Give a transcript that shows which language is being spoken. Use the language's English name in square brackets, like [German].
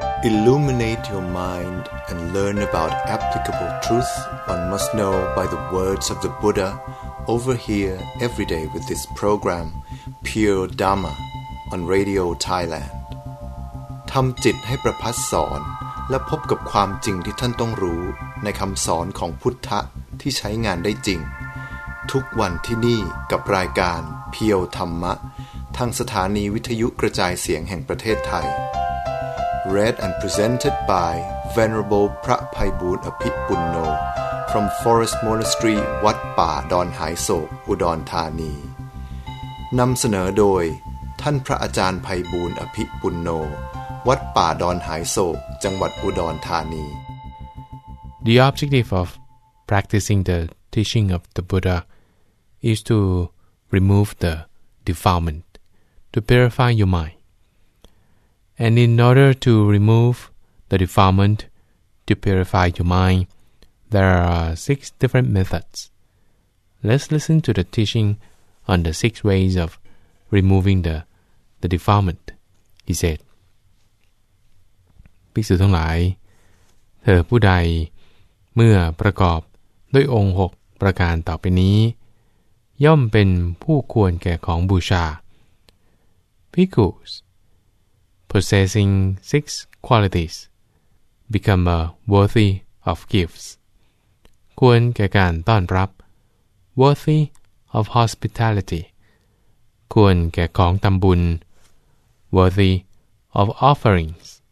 [English] Illuminate your mind and learn about applicable truth one must know by the words of the Buddha over here every day with this program, Pure Dharma, on Radio Thailand. [Thai] ทำจิตให้ประพัสสอนและพบกับความจริงที่ท่านต้องรู้ในคำสอนของพุทธะที่ใช้งานได้จริงทุกวันที่นี่กับรายการเพียวธรรมะทางสถานีวิทยุกระจายเสียงแห่งประเทศไทย [English] Read and presented by Venerable [Thai] พระไพบูลย์อภิปุณโญ [English] from Forest Monastery [Thai] วัดป่าดอนหายโศกอุดรธานีนำเสนอโดยท่านพระอาจารย์ไพบูลย์อภิปุณโญวัดป่าดอนหายโศกจังหวัดอุดรธานี [English] The objective of practicing the teaching of the Buddha is to remove the defilement, to purify your mind. And in order to remove the defilement, to purify your mind, there are six different methods. Let's listen to the teaching on the six ways of removing the defilement, he said. [Thai] ภิกษุทั้งหลายเธอผู้ใดเมื่อประกอบด้วยองค์6ประการต่อไปนี้ย่อมเป็นผู้ควรแก่ของบูชา [English] Bhikkhus possessing six qualities become a worthy of gifts [Thai] ควรแก่การต้อนรับ [English] worthy of hospitality [Thai] ควรแก่ของทำบุญ [English] worthy of offerings